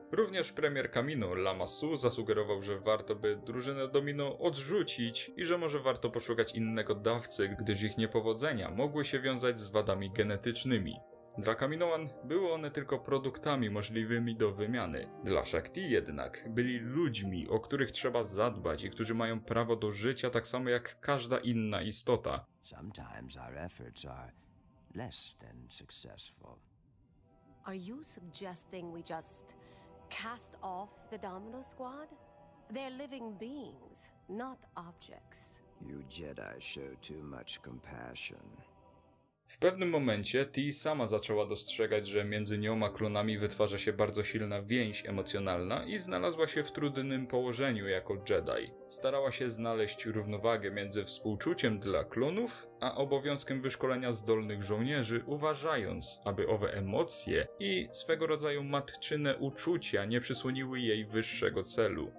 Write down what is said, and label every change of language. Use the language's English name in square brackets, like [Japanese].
[Polish] Również premier Kamino, Lama Su, zasugerował, że warto by drużynę Domino odrzucić i że może warto poszukać innego dawcy, gdyż ich niepowodzenia mogły się wiązać z wadami genetycznymi. Dla Kaminoan były one tylko produktami możliwymi do wymiany. Dla Shakti jednak byli ludźmi, o których trzeba zadbać i którzy mają prawo do życia tak samo jak każda inna istota. [English] Sometimes our efforts are less than successful. Are you suggesting we just cast off the Domino Squad? They're living beings, not objects. You Jedi show too much compassion. [Polish] W pewnym momencie T sama zaczęła dostrzegać, że między nią a klonami wytwarza się bardzo silna więź emocjonalna i znalazła się w trudnym położeniu jako Jedi. Starała się znaleźć równowagę między współczuciem dla klonów, a obowiązkiem wyszkolenia zdolnych żołnierzy, uważając, aby owe emocje i swego rodzaju matczyne uczucia nie przysłoniły jej wyższego celu.